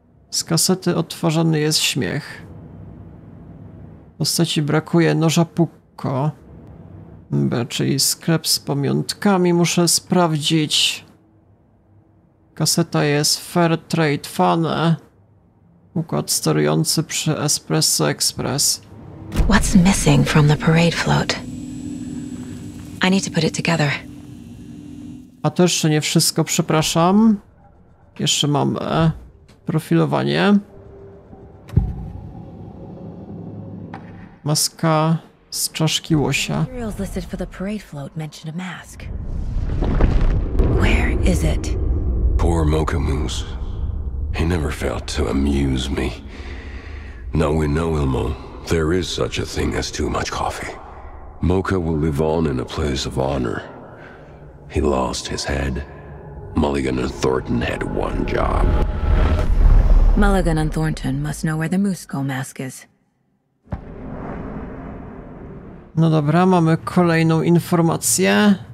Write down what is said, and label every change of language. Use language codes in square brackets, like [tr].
[pl] Z kasety odtwarzany jest śmiech. Postaci brakuje noża Pukko. Czyli sklep z pamiątkami muszę sprawdzić. Kaseta jest Fair Trade Fun. Układ sterujący przy Espresso Express. [en] What's missing from the parade float? I need to put it together. [pl] A to jeszcze nie wszystko, przepraszam. Jeszcze mam profilowanie. Maska z czaszki łosia. [en] Materials listed for the parade float mentioned a mask. Where is it? Poor Mocha Moose. He never failed to amuse me. Now we know, Ilmo. There is such a thing as too much coffee. Mocha will live on in a place of honor. He lost his head. Mulligan and Thornton had one job. Mulligan and Thornton must know where the Moose Skull mask is. [pl] No dobra, mamy kolejną informację.